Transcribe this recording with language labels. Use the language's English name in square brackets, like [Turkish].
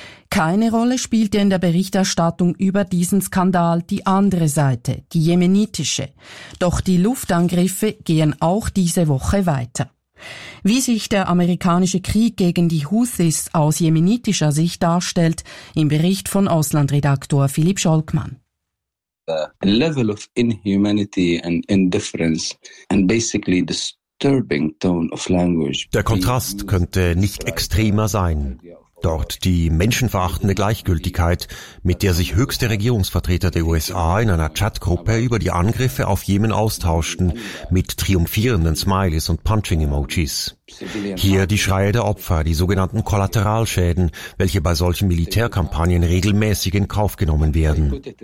[German] Keine Rolle spielte in der Berichterstattung über diesen Skandal die andere Seite, die jemenitische. Doch die Luftangriffe gehen auch diese Woche weiter. Wie sich der amerikanische Krieg gegen die Houthis aus jemenitischer Sicht darstellt, im Bericht von Auslandredaktor Philipp Scholkmann. [English] The level of inhumanity and indifference and basically disturbing tone of language. [German] Der Kontrast könnte nicht extremer sein. Dort die menschenverachtende Gleichgültigkeit, mit der sich höchste Regierungsvertreter der USA in einer Chatgruppe über die Angriffe auf Jemen austauschten, mit triumphierenden Smileys und Punching-Emojis. Hier die Schreie der Opfer, die sogenannten Kollateralschäden, welche bei solchen Militärkampagnen regelmäßig in Kauf genommen werden.